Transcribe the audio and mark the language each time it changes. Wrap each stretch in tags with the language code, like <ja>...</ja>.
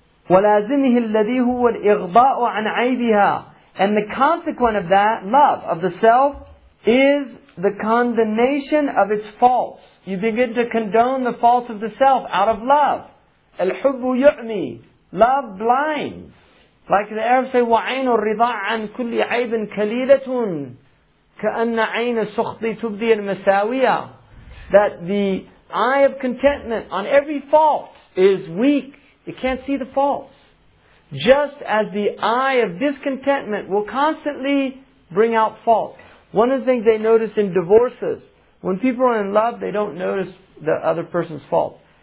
<ar>وَلَازِمِهِ الَّذِي هُوَ الْإِغْضَاءُ عَنْ عَيْبِهَا.</ar> <en>And the consequent of that, love of the self, is the condemnation of its faults. You begin to condone the faults of the self out of love.</en> <ar>الْحُبُّ يُعْمِي.</ar> <en>Love blinds. Like the Arabs say,</en> <ar>وَعَيْنُ الرِّضَىٰ عَنْ كُلِّ عَيْبٍ كَلِيلَةٌ كَأَنَّ عَيْنَ سُخْطِ تُبْدِي الْمَسَاوِيَةً.</ar> <en>That the eye of contentment on every fault is weak. It can't see the faults. Just as the eye of discontentment will constantly bring out faults. One of the things they notice in divorces, when people are in love, they don't notice the other person's fault.</en>